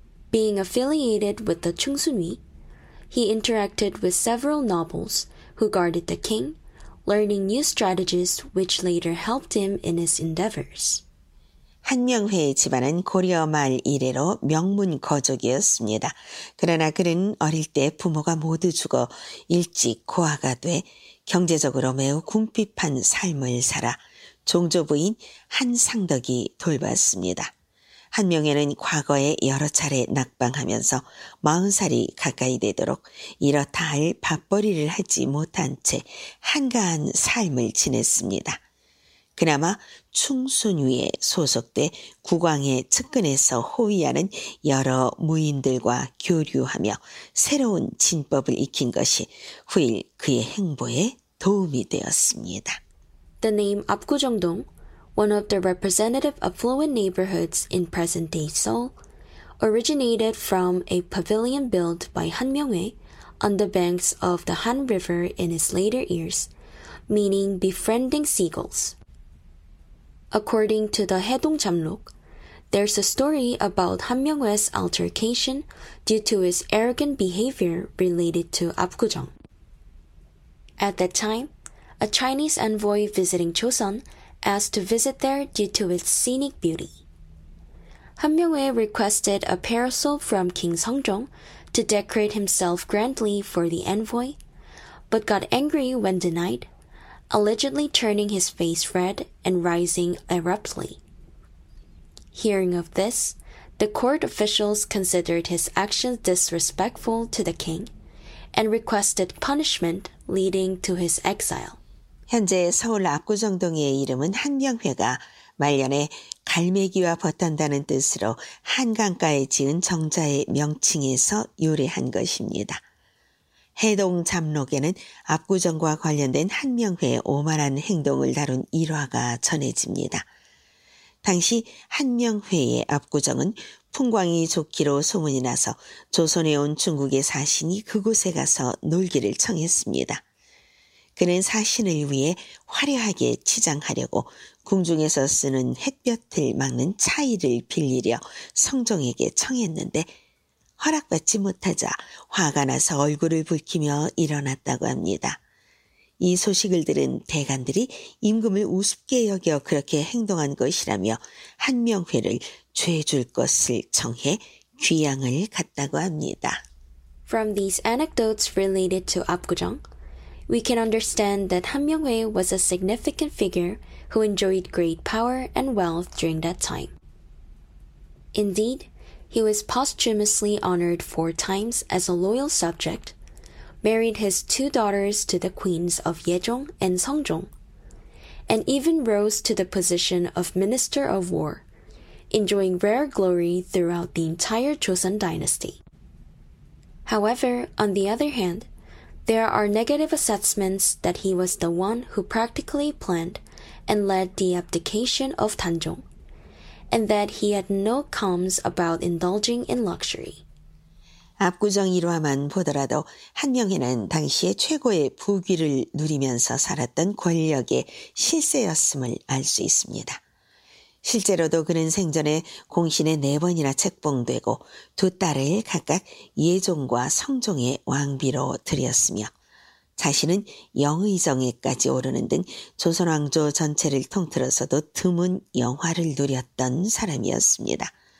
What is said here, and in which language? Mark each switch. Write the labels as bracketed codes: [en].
[en] Being affiliated with the Chungsunhui, he interacted with several nobles who guarded the king, learning new strategies which later helped him in his endeavors. [ko] 한명회의 집안은 고려 말 이래로 명문 거족이었습니다. 그러나 그는 어릴 때 부모가 모두 죽어 일찍 고아가 돼 경제적으로 매우 궁핍한 삶을 살아 종조부인 한상덕이 돌봤습니다. 한명회는 과거에 여러 차례 낙방하면서 40살이 가까이 되도록 이렇다 할 밥벌이를 하지 못한 채 한가한 삶을 지냈습니다. 그나마 충순위에 소속돼 국왕의 측근에서 호위하는 여러 무인들과 교류하며 새로운 진법을 익힌 것이 후일 그의 행보에 도움이 되었습니다. [en] The name Apgujeongdong, one of the representative affluent neighborhoods in present-day Seoul, originated from a pavilion built by Han Myung-hae on the banks of the Han River in his later years, meaning befriending seagulls. According to the Haedong Jamluk, there's a story about Han Myung-hae's altercation due to his arrogant behavior related to Apgujeong. At that time, a Chinese envoy visiting Joseon asked to visit there due to its scenic beauty. Han Myung-hae requested a parasol from King Seongjong to decorate himself grandly for the envoy, but got angry when denied, allegedly turning his face red and rising abruptly. Hearing of this, the court officials considered his actions disrespectful to the king and requested punishment leading to his exile. [ko] 현재 서울 압구정동의 이름은 한명회가 말년에 갈매기와 벗단다는 뜻으로 한강가에 지은 정자의 명칭에서 유래한 것입니다. 해동 잡록에는 압구정과 관련된 한명회의 오만한 행동을 다룬 일화가 전해집니다. 당시 한명회의 압구정은 풍광이 좋기로 소문이 나서 조선에 온 중국의 사신이 그곳에 가서 놀기를 청했습니다. 그는 사신을 위해 화려하게 치장하려고 궁중에서 쓰는 햇볕을 막는 차이를 빌리려 성종에게 청했는데 허락받지 못하자 화가 나서 얼굴을 붉히며 일어났다고 합니다. 이 소식을 들은 대관들이 임금을 우습게 여겨 그렇게 행동한 것이라며 한명회를 죄줄 것을 청해 귀양을 갔다고 합니다. [en] From these anecdotes related to Apgujeong, we can understand that Han Myung-hae was a significant figure who enjoyed great power and wealth during that time. Indeed, He was posthumously honored 4 times as a loyal subject, married his 2 daughters to the queens of Yejong and Seongjong, and even rose to the position of Minister of War, enjoying rare glory throughout the entire Joseon dynasty. However, on the other hand, there are negative assessments that he was the one who practically planned and led the abdication of Danjong, and that he had no qualms about indulging in luxury. [ko] 압구정 일화만 보더라도 한명희는 당시의 최고의 부귀를 누리면서 살았던 권력의 실세였음을 알 수 있습니다. 실제로도 그는 생전에 공신에 4번이나 책봉되고 2딸을 각각 예종과 성종의 왕비로 들였으며 자신은 영의정에까지 오르는 등 조선왕조 전체를 통틀어서도 드문 영화를 누렸던 사람이었습니다.